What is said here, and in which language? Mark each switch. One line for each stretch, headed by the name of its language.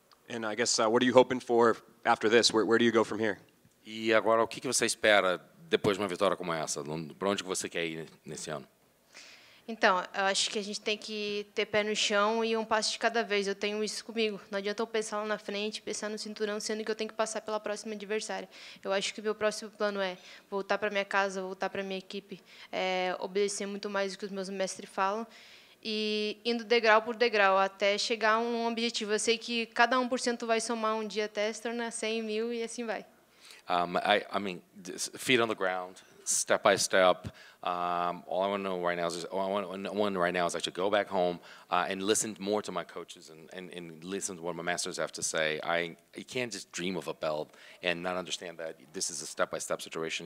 English: And I guess, what are you hoping for after this? Where do you go from here?
Portuguese: E agora, o que você espera depois de uma vitória como essa? Para onde você quer ir nesse ano? Então, eu acho que a gente tem que ter pé no chão e um passo de cada vez. Eu tenho isso comigo. Não adianta eu pensar lá na frente, pensar no cinturão, sendo que eu tenho que passar pela próxima adversária. Eu acho que o meu próximo plano é voltar para minha casa, voltar para minha equipe, obedecer muito mais do que os meus mestres falam, e indo degrau por degrau, até chegar a um objetivo. Eu sei que cada 1% vai somar um dia até se tornar 100 mil, e assim vai.
English: I mean, feet on the ground, step by step. All I want to know right now is, I should go back home and listen more to my coaches and listen to what my masters have to say. You can't just dream of a belt and not understand that this is a step by step situation.